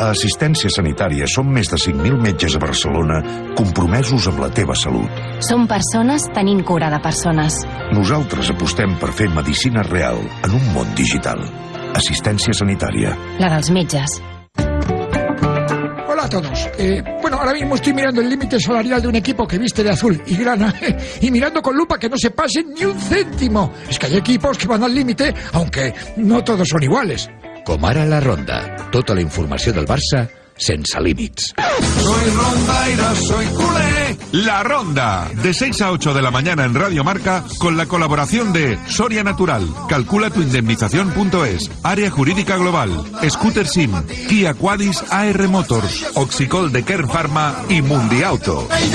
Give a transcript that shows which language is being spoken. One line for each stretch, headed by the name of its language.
Catalan: Assistència Sanitària. Som més de 5.000 metges a Barcelona compromesos amb la teva salut. Som persones tenint cura de persones. Nosaltres apostem per fer medicina real en un món digital. Assistència Sanitària. La dels metges.
Spanish: A todos. Bueno, ahora mismo estoy mirando el límite salarial de un equipo que viste de azul y grana, y mirando con lupa que no se pase ni un céntimo. Es que hay equipos que van al límite, aunque no todos son iguales.
Catalan: Com ara la Ronda. Tota la informació del Barça sense límits.
Spanish: Soy rondaire, soy culé. La Ronda, de 6 a 8 de la mañana en Radio Marca, con la colaboración de Soria Natural, calculatuindemnización.es, Área Jurídica Global, Scooter Sim, Kia Quadis AR Motors, Oxicol de Kern Pharma y Mundi Auto.